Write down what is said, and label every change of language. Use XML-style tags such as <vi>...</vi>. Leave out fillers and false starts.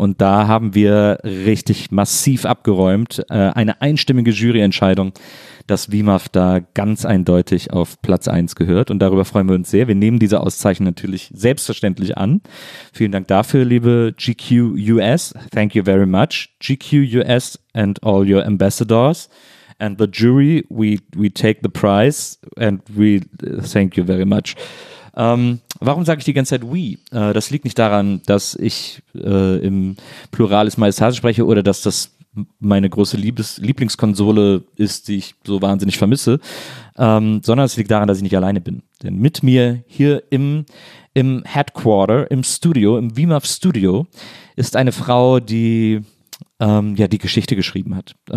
<de>Und da haben wir richtig massiv abgeräumt, eine einstimmige Juryentscheidung, dass WIMAF da ganz eindeutig auf Platz 1 gehört. Und darüber freuen wir uns sehr. Wir nehmen diese Auszeichnung natürlich selbstverständlich an. Vielen Dank dafür, liebe GQ US.</de> <en>Thank you very much, GQ US and all your ambassadors. And the jury, we take the prize and we thank you very much.</en> <de>Warum sage ich die ganze Zeit we? Das liegt nicht daran, dass ich im Pluralis Majestatis spreche oder dass das meine große Lieblingskonsole ist, die ich so wahnsinnig vermisse, sondern es liegt daran, dass ich nicht alleine bin. Denn mit mir hier im Headquarter, im Studio, im WIMAF Studio, ist eine Frau, die die Geschichte geschrieben hat.</de>